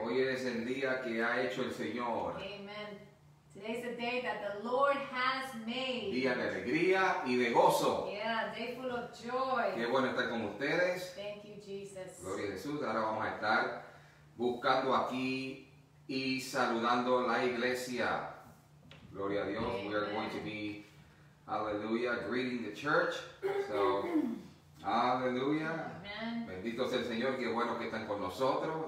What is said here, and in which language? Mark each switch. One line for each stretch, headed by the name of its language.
Spanish: Hoy es el día que ha hecho el Señor. Amen.
English: Today is the day that the Lord has made.
Spanish: Día de alegría y de gozo.
English: Yeah, day full of joy.
Spanish: Qué bueno estar con ustedes.
English: Thank you, Jesus.
Spanish: Gloria a Jesús. Ahora vamos a estar buscando aquí y saludando la iglesia. Gloria a Dios. Amen.
English: We are going to be, hallelujah, greeting the church. So, hallelujah. Amen.
Spanish: Bendito sea el Señor, qué bueno que están con nosotros.